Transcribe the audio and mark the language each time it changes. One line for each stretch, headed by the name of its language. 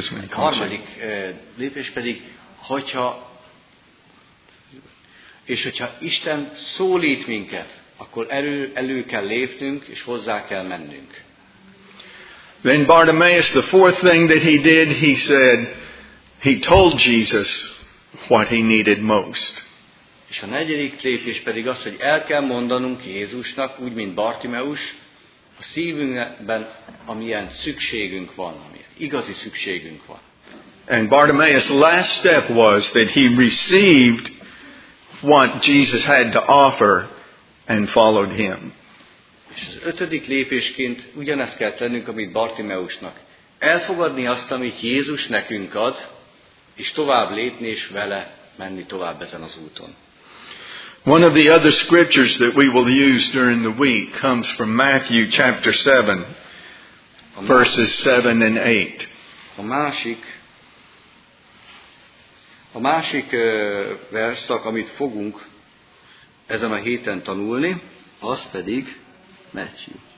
Hungarian: Harmadik lépés pedig, hogyha Isten szólít minket, akkor elő kell lépnünk, és hozzá kell mennünk.
English: Then Bartimaeus, the fourth thing that he did, he said, he told Jesus what he needed most.
Hungarian: És a negyedik lépés pedig az, hogy el kell mondanunk Jézusnak, úgy mint Bartimeus, a szívünkben amilyen szükségünk van, amilyen igazi szükségünk van.
English: And Bartimaeus' last step was that he received what Jesus had to offer and followed him.
Hungarian: És az ötödik lépésként ugyanezt kell tennünk, amit Bartimeusnak. Elfogadni azt, amit Jézus nekünk ad, és tovább lépni és vele menni tovább ezen az úton.
English: One of the other scriptures that we will use during the week comes from Matthew chapter 7, verses 7 and 8.
Hungarian: A másik verszak, amit fogunk ezen a héten tanulni, az pedig Matthew.